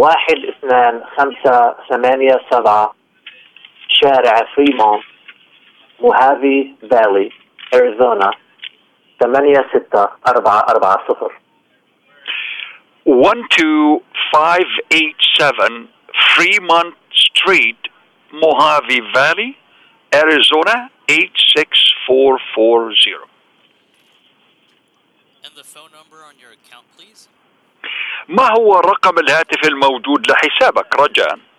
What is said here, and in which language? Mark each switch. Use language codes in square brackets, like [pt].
[ar] 12587 شارع فريمون موهافي فالي أريزونا 86440 12587 فريمونت ستريت موهافي فالي أريزونا 86440. [en] And the phone number on your account, please. [ar] ما هو رقم الهاتف الموجود لحسابك رجاء؟